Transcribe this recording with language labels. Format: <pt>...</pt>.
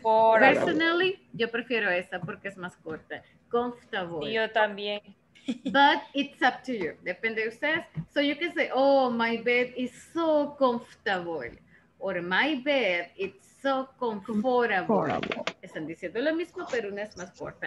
<es>Personally, yo prefiero esa porque es más corta.</es> <en>Comfortable.</en> <es>Yo también.</es> <en>But it's up to you.</en> <es>Depende de ustedes.</es> <en>So, you can say, oh, my bed is so comfortable. Or my bed, it's so comfortable.</en> <es>Están diciendo lo mismo, pero una es más corta.</es>